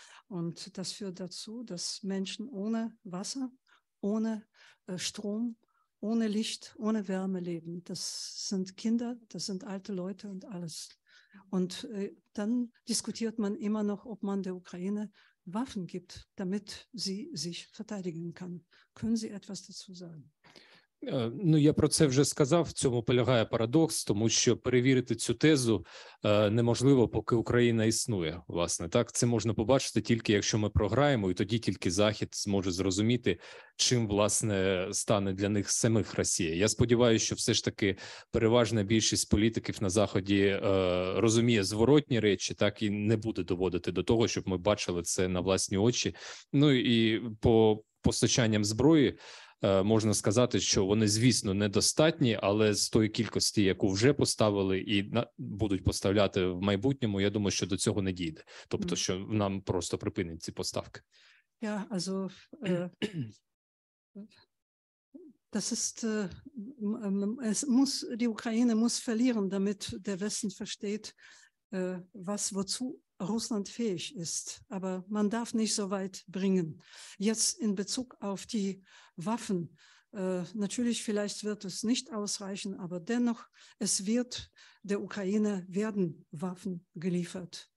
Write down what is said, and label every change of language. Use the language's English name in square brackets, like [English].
[German] Und das führt dazu, dass Menschen ohne Wasser, ohne Strom, ohne Licht, ohne Wärme leben. Das sind Kinder, das sind alte Leute und alles. Und dann diskutiert man immer noch, ob man der Ukraine Waffen gibt, damit sie sich verteidigen kann. Können Sie etwas dazu sagen? [Ukrainian] Я про це вже сказав, в цьому полягає парадокс, тому що перевірити цю тезу неможливо, поки Україна існує, власне. Так, це можна побачити тільки, якщо ми програємо, і тоді тільки Захід зможе зрозуміти, чим, власне, стане для них самих Росія. Я сподіваюся, що все ж таки переважна більшість політиків на Заході розуміє зворотні речі, так, і не буде доводити до того, щоб ми бачили це на власні очі. І по постачанням зброї, можна сказати, що вони, звісно, недостатні, але з тої кількості, яку вже поставили і будуть поставляти в майбутньому, я думаю, що до цього не дійде. Тобто, що нам просто припинять ці поставки. [German] Ja, also, Das ist, es muss, die Ukraine muss verlieren, damit der Westen versteht, was, wozu Russland fähig ist. Aber man darf nicht so weit bringen. Jetzt in Bezug auf die Waffen, natürlich, vielleicht wird es nicht ausreichen, aber dennoch, es wird, der Ukraine werden Waffen geliefert.